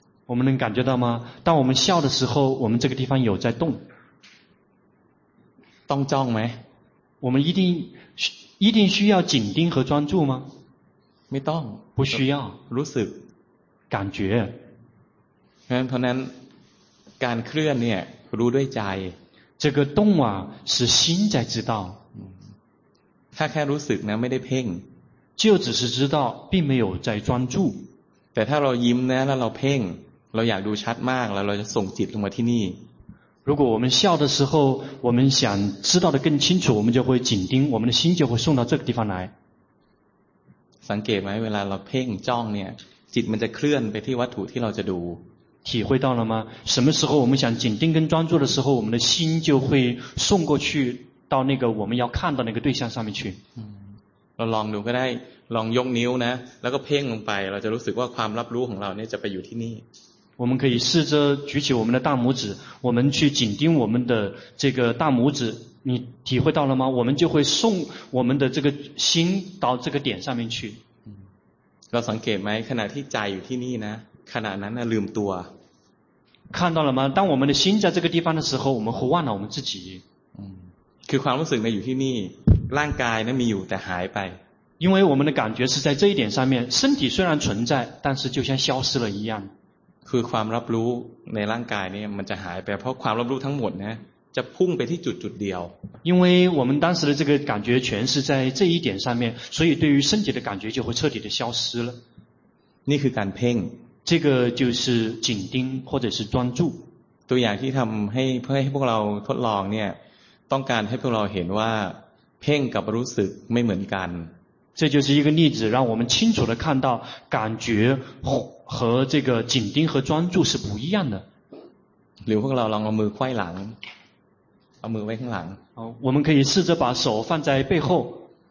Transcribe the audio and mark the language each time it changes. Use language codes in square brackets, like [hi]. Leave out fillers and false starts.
[zh] 我们能感觉到吗当我们笑的时候我们这个地方有在动 [th] ต้องจ้องไหม [zh] 我们一定需要紧盯和专注吗 [th] ไม่ต้อง [zh] 不需要 [th] รู้สึก [zh] 感觉 [th] เพราะนั้นการเคลื่อนเนี่ยรู้ด้วยใจ [zh] 这个动啊是心在知道 [th] ถ้าแค่รู้สึกนะไม่ได้เพ่ง [zh] 就只是知道并没有在专注 [th] แต่ถ้าเรายิ้มนะแล้วเราเพ่งเราอยากดูชัดมากแล้วเราจะส่งจิตลงมาที่นี่ [zh] 如果我们笑的时候我们想知道的更清楚我们就会紧盯我们的心就会送到这个地方来 [th] สังเกตไหมเวลาเราเพ่งจ้องเนี่ยจิตมันจะเคลื่อนไปที่วัตถุที่เราจะดู [zh] 体会到了吗什么时候我们想紧盯跟专注的时候我们的心就会送过去到那个我们要看到那个对象上面去 [th] เราลองดูก็ได้ลองยกนิ้วนะแล้วก็เพ่งลงไปเราจะรู้สึกว่าความรับรู้ของเราเนี่ยจะไปอยู่ที่นี่ [zh] 我们可以试着举起我们的大拇指我们去紧盯我们的这个大拇指你体会到了吗我们就会送我们的这个心到这个点上面去 [th] เราสังเกตไหมขณะที่ใจอยู่ที่นี่นะขณะนั้นนะลืมตัว [zh] 看到了吗当我们的心在这个地方的时候我们忽忘了我们自己 [th] คือความรู้สึกในอยู่ที่นี่ร่างกายนั้นมีอยู่แต่หายไป [zh] 因为我们的感觉是在这一点上面身体虽然存在但是就像消失了一样 [th] คือความรับรู้ในร่างกายเนี่ยมันจะหายไปเพราะความรับรู้ทั้งหมดนะจะพุ่งไปที่จุดๆเดียว [zh] 因为我们当时的这个感觉全是在这一点上面所以对于身体的感觉就会彻底的消失了 [th] นี่คือการเพ่ง [zh] 这个就是紧盯或者是专注 [th] ตัวอย่างที่ทําให้เพื่อให้พวกเราทดลองเนี่ยต้องการให้พวกเราเห็นว่าเพ่งกับรู้สึกไม่เหมือนกัน [zh] 这就是一个例子让我们清楚地看到感觉和这个紧盯和专注是不一样的留给我们手挥挡把手挥挡我们可以试着把手放在背后